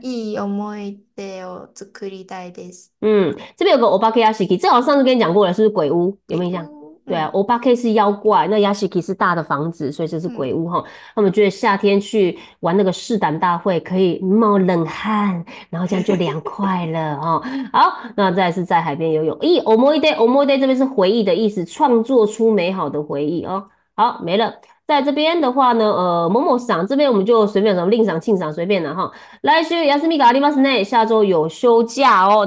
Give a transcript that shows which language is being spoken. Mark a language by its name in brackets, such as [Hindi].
[Japanese] いい思い出を作りたいです。 [Chinese] 这边有个お化け屋敷，这好像上次跟你讲过了，是不是鬼屋？有鬼没有印象？屋，对啊，お化け是妖怪，那ヤシキ是大的房子，所以这是鬼屋哈。他们觉得夏天去玩那个试胆大会，可以冒冷汗，然后这样就凉快了哦。好，那再来是在海边游泳。咦，omoide 这边是回忆的意思，创作出美好的回忆哦。好，没了。在这边的话呢，某某赏这边我们就随便什么另赏庆赏随便了哈。 [Japanese] 来週休みがありますね， [Chinese] 下周有休假哦。